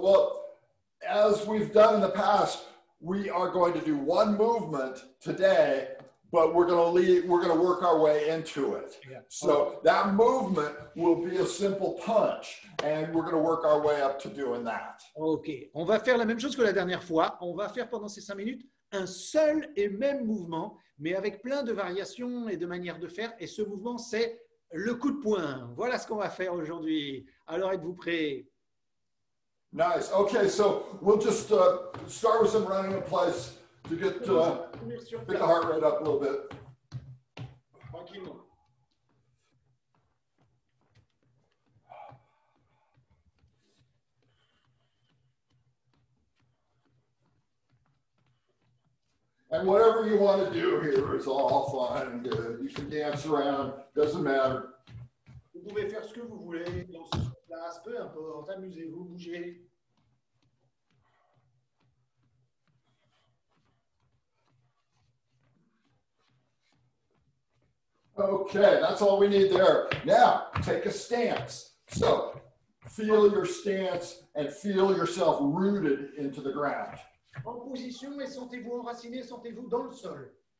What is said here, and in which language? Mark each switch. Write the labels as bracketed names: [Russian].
[English] Well, as we've done in the past, we are going to do one movement today, but we're going to work our way into it. Yeah. So that movement will be a simple punch, and we're going to work our way up to doing that. Okay. [French] On va faire la même chose que la dernière fois. On va faire pendant ces 5 minutes un seul et même mouvement, mais avec plein de variations et de manières de faire. Et ce mouvement, c'est le coup de poing. Voilà ce qu'on va faire aujourd'hui. Alors, êtes-vous prêts? [English] Nice. Okay, so we'll just start with some running in place to get the heart rate up a little bit. And whatever you want to do here is all fine and good. You can dance around, doesn't matter. [French] Vous pouvez faire ce que vous voulez dans ce place, peu importe, amusez-vous, bougez. [English] Okay, that's all we need there. Now, take a stance. So, feel your stance and feel yourself rooted into the ground. [French] En position et sentez-vous enraciné, sentez-vous dans le sol.